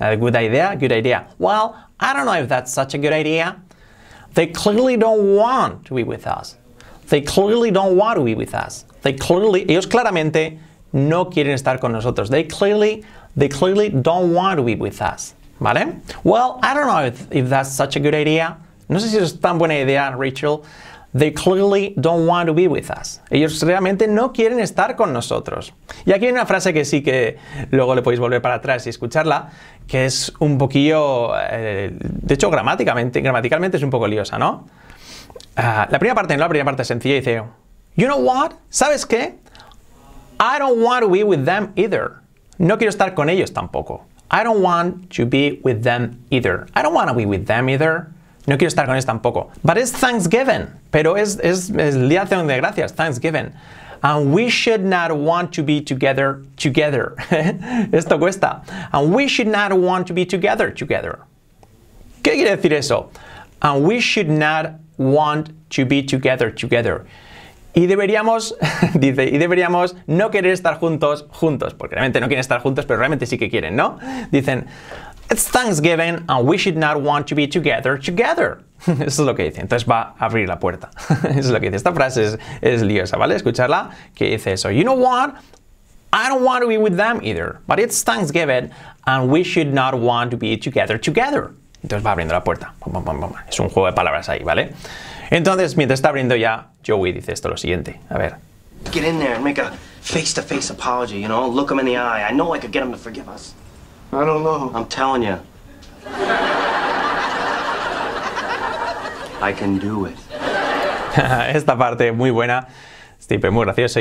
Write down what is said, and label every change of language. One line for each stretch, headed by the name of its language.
English: Good idea, good idea. Well, I don't know if that's such a good idea. They clearly don't want to be with us. They clearly don't want to be with us. They clearly,
Spanish: ellos claramente no quieren estar con nosotros.
English: They clearly don't want to be with us.
Spanish: ¿Vale?
English: Well, I don't know if that's such a good idea.
Spanish: No sé si es tan buena idea, Rachel.
English: They clearly don't want to be with us.
Spanish: Ellos realmente no quieren estar con nosotros. Y aquí hay una frase que sí que luego le podéis volver para atrás y escucharla, que es un poquillo, de hecho, gramaticalmente es un poco liosa, ¿no? La primera parte sencilla dice,
English: you know what?
Spanish: ¿Sabes qué?
English: I don't want to be with them either.
Spanish: No quiero estar con ellos tampoco.
English: I don't want to be with them either. I don't want to be with them either.
Spanish: No quiero estar con ellos tampoco.
English: But it's Thanksgiving.
Spanish: Pero es el día de gracias. Thanksgiving.
English: And we should not want to be together, together.
Spanish: Esto cuesta.
English: And we should not want to be together, together.
Spanish: ¿Qué quiere decir eso?
English: And we should not want to be together, together.
Spanish: Y deberíamos, dice, y deberíamos no querer estar juntos, juntos. Porque realmente no quieren estar juntos, pero realmente sí que quieren, ¿no? Dicen,
English: it's Thanksgiving and we should not want to be together, together.
Spanish: Eso es lo que dice. Entonces va a abrir la puerta. Eso es lo que dice. Esta frase es liosa, ¿vale? Escucharla, que dice eso.
English: You know what? I don't want to be with them either, but it's Thanksgiving and we should not want to be together together.
Spanish: Entonces va abriendo la puerta. Es un juego de palabras ahí, ¿vale? Entonces, mientras está abriendo ya, Joey dice esto lo siguiente. A ver.
English: Get in there and make a face-to-face apology, you know? Look him in the eye. I know I could get him to forgive us. I don't know. I'm telling you. I can do it.
Spanish: Esta parte muy buena. Stipe, muy gracioso.